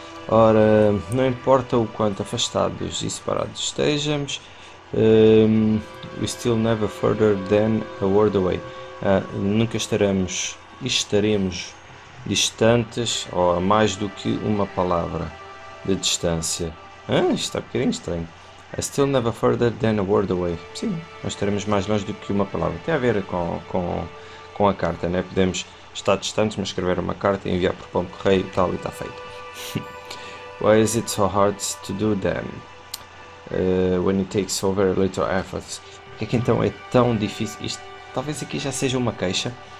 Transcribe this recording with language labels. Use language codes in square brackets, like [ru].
[pt] Ora, não importa o quanto afastados e separados estejamos, [en] we still never further than a world away. [pt] Nunca estaremos e estaremos distantes, ou a mais do que uma palavra de distância. Ah, isto está um bocadinho estranho. [en] I still never further than a world away. [pt] Sim, nós estaremos mais longe do que uma palavra. Tem a ver com a carta, né? Podemos estar distantes, mas escrever uma carta e enviar por pombo correio e tal, e está feito. [en] Why is it so hard to do them? When it takes so very little effort. [pt] Porque é que então é tão difícil? Isto talvez aqui já seja uma queixa.